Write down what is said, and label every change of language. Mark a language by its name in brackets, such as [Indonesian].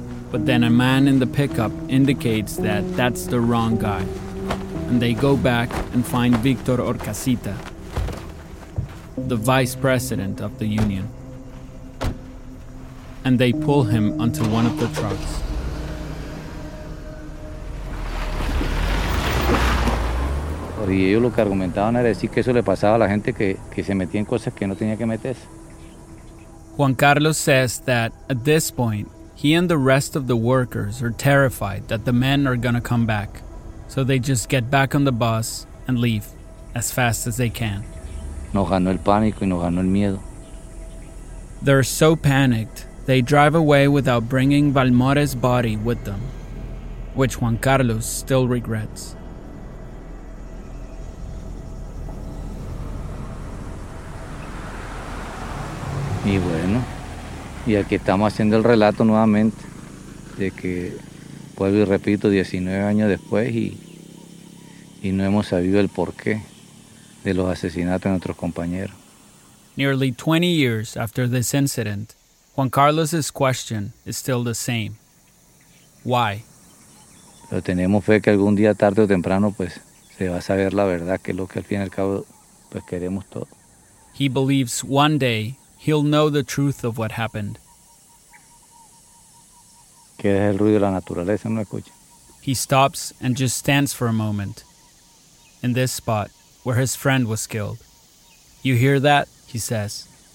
[English] But then a man in the pickup indicates that that's the wrong guy. and they go back and find Victor Orcasita, the vice president of the union. And they pull him onto one of the trucks. [Spanish] Y ellos lo que argumentaban era decir que eso le pasaba a la gente que se metía en cosas que no tenía que meterse. [English] Juan Carlos says that at this point, he and the rest of the workers are terrified that the men are going to come back. So they just get back on the bus and leave as fast as they can. [Spanish] Nos ganó el pánico y nos ganó el miedo. [English] They're so panicked, they drive away without bringing Valmore's body with them, which Juan Carlos still regrets. [Spanish] Y bueno, y aquí estamos haciendo el relato nuevamente de que, vuelvo y repito, 19 años después y no hemos sabido el porqué de los asesinatos de nuestros compañeros. [English] Nearly 20 years after this incident, Juan Carlos's question is still the same. Why? [Spanish] Pero tenemos fe que algún día, tarde o temprano, pues, se va a saber la verdad, que es lo que al fin y al cabo, pues, queremos todo. [English] He believes one day he'll know the truth of what happened. [Spanish] ¿Qué es el ruido de la naturaleza? No escucha. [English] He stops and just stands for a moment in this spot where his friend was killed. You hear that? He says.